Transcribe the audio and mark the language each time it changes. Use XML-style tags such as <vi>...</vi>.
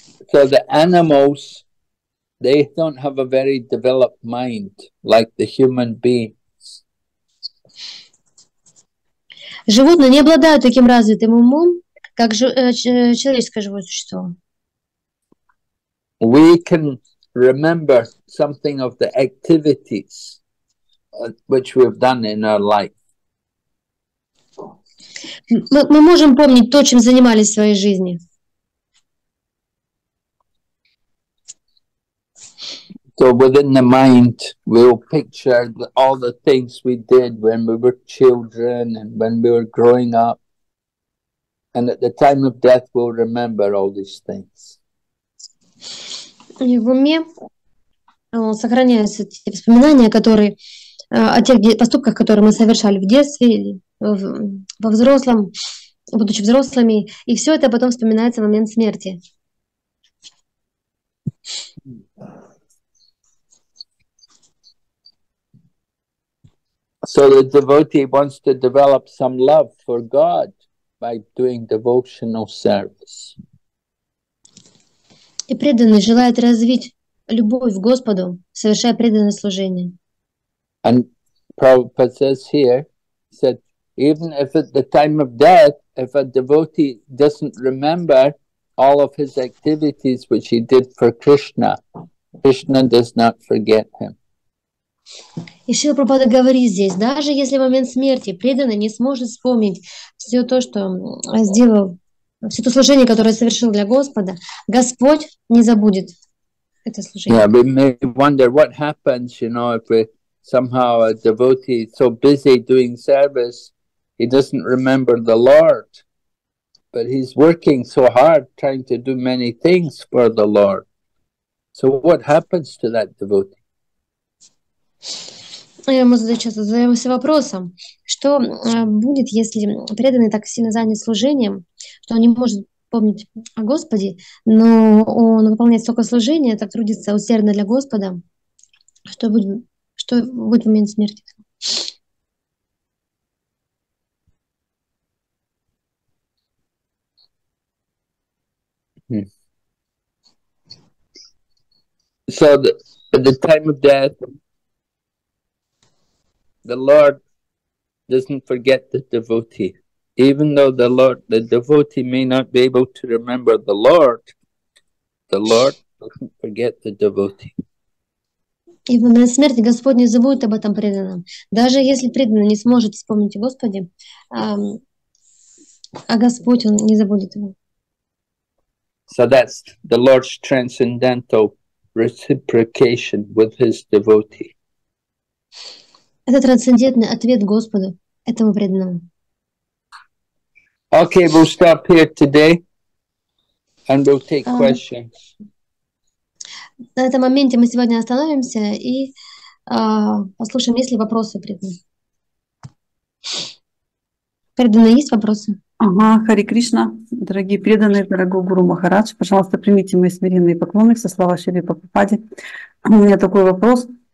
<en>So the animals, they don't have a very developed mind like the human beings.</en> <ru>Животные не обладают таким развитым умом, как человеческое живое существо.</ru> <en>We can remember something of the activities which we've done in our life.</en> <ru>Мы можем помнить то, чем занимались в своей жизни.</ru> <en>So within the mind, we'll picture all the things we did when we were children and when we were growing up. And at the time of death, we'll remember all these things.</en> <ru>И в уме сохраняются те воспоминания, которые о тех поступках, которые мы совершали в детстве, во взрослом, будучи взрослыми, и все это потом вспоминается в момент смерти.</ru> <en>So the devotee wants to develop some love for God by doing devotional service.</en> <ru>И преданный желает развить любовь к Господу, совершая преданное служение.</ru> <en>And Prabhupada says here, said, even if at the time of death, if a devotee doesn't remember all of his activities which he did for Krishna, Krishna does not forget him.</en> <ru>И Шрила Прабхупада говорит здесь, даже если в момент смерти преданный не сможет вспомнить все то, что сделал, все то служение, которое совершил для Господа, Господь не забудет это служение.</ru> <en>Yeah, we may wonder what happens, you know, if we somehow a devotee is so busy doing service, he doesn't remember the Lord, but he's working so hard trying to do many things for the Lord. So what happens to that devotee?</en> <ru>Я ему задаемся вопросом, что будет, если преданный так сильно занят служением, что он не может помнить о Господе, но он выполняет столько служения, так трудится усердно для Господа, что будет в момент смерти?</ru> <en>So the time of death, the Lord doesn't forget the devotee. Even though the devotee may not be able to remember the Lord doesn't forget the devotee.</en> <ru>И в момент смерти Господь не забудет об этом преданном. Даже если преданный не сможет вспомнить Господи, а Господь, он не забудет его.</ru> <en>So that's the Lord's transcendental reciprocation with his devotee.</en> <ru>Это трансцендентный ответ Господу этому преданному.</ru> <en>Okay, we'll stop here today and we'll take questions.</en> <ru>На этом моменте мы сегодня остановимся и послушаем, есть ли вопросы преданные. Преданные, есть вопросы? Ага, Хари Кришна, дорогие преданные, дорогой Гуру Махарадж, пожалуйста, примите мои смиренные поклоны со слова Шри Прабхупады. У меня такой вопрос.</ru>